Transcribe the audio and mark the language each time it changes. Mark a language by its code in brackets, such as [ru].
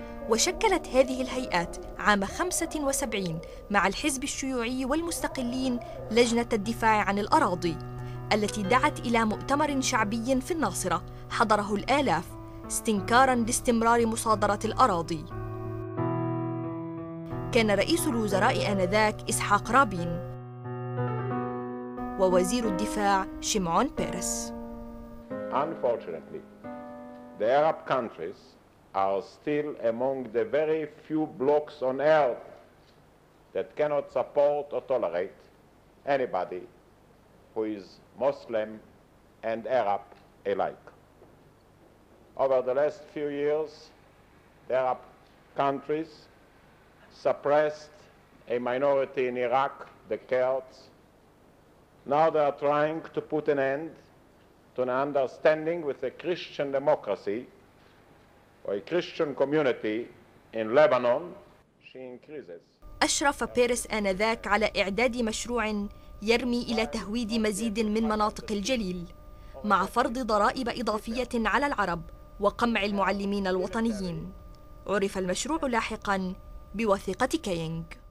[ar] وشكلت هذه الهيئات عام 75 مع الحزب الشيوعي والمستقلين لجنة الدفاع عن الأراضي التي دعت إلى مؤتمر شعبي في الناصرة حضره الآلاف استنكاراً لاستمرار مصادرة الأراضي. كان رئيس الوزراء آنذاك إسحاق رابين ووزير الدفاع شمعون بيرس. [en] Unfortunately, the Arab countries are still among the very few blocks on earth that cannot support or tolerate anybody who is Muslim and Arab alike. Over the last few years, Arab countries suppressed a minority in Iraq, the Kurds. Now they are trying to put an end to an understanding with a Christian democracy or a Christian community in Lebanon. She increases. [ar] أشرف بيريس آنذاك على إعداد مشروع يرمي إلى تهويد مزيد من مناطق الجليل مع فرض ضرائب إضافية على العرب وقمع المعلمين الوطنيين. عرف المشروع لاحقاً بوثيقة كينغ.